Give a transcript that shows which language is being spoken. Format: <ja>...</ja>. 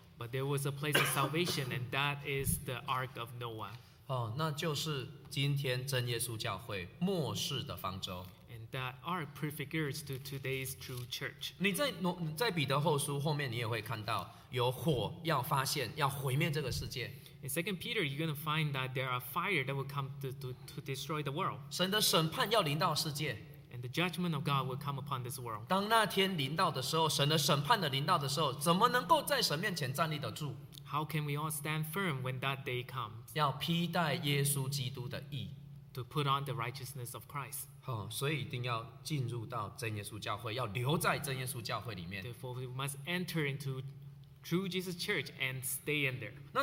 <en>But there was a place of salvation, and that is the Ark of Noah.</en> <zh>那就是今天真耶稣教会末世的方舟。</zh> <en>And that Ark prefigures to today's true church.</en> <zh>你在彼得后书后面，你也会看到有火要发现，要毁灭这个世界。</zh> <en>In 2 Peter, you're going to find that there are fire that will come to destroy the world.</en> <zh>神的审判要临到世界。</zh> <en>And the judgment of God will come upon this world.</en> <zh>当那天临到的时候，神的审判的临到的时候，怎么能够在神面前站立得住？</zh> <en>How can we all stand firm when that day comes?</en> <zh>要披戴耶稣基督的义。</zh> <en>To put on the righteousness of Christ.</en> <zh>所以一定要进入到真耶稣教会，要留在真耶稣教会里面。</zh> <en>Therefore, we must enter into through Jesus Church and stay in there.</en>